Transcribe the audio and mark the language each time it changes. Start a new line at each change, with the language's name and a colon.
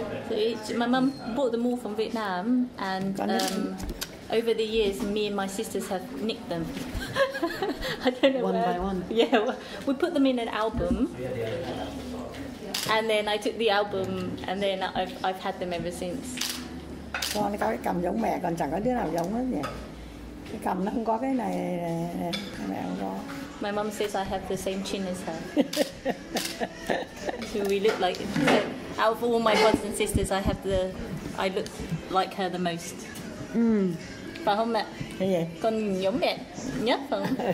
English: So my mum bought them all from Vietnam, and over the years, me and my sisters have nicked them. I don't know one where. One by one. Yeah, we put them in an album, and then I took the album, and then I've had them ever since.
Vietnamese: Con có cái cầm giống mẹ, còn chẳng có đứa nào giống hết nhỉ. Cái cầm nó không có cái này, mẹ không có.
English: My mom says I have the same chin as her. So we look like, out of all my brothers and sisters, I look like her the most. Mm.
Vietnamese: Phải không mẹ? Con giống mẹ nhất không?